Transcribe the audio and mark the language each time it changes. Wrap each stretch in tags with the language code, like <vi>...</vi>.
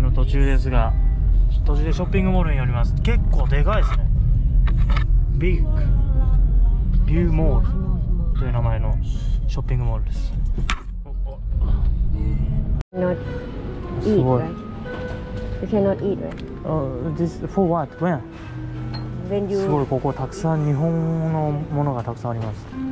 <ja>中ですが、途中でショッピングモールに寄ります。結構でかいですね。ビッグビューモールという名前のショッピングモールです。</ja> <en>Not eat, right? You cannot eat, right? This for what? When? When you...</en> <ja>すごい、ここたくさん日本のものがたくさんあります。</ja>